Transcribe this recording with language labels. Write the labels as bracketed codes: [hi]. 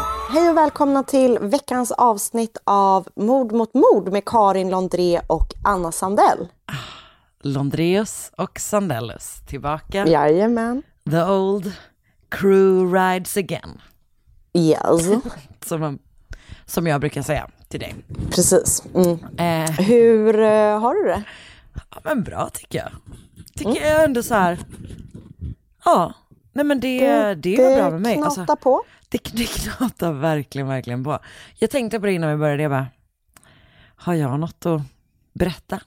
[sv] Hej och välkomna till veckans avsnitt av Mord mot mord med Karin Londré och Anna Sandell. Londreus och Sandellus tillbaka. Jajamän. [en] The old crew rides again. Yes. [sv] Som jag brukar säga till dig. Precis. Mm. Hur har du det? Ja, men bra tycker jag. Tycker jag ändå så här. Ja, nej, men det är bra med mig. Det knatar alltså, på. Det knatar verkligen, verkligen på. Jag tänkte på det innan vi började. Jag bara, har jag något att berätta?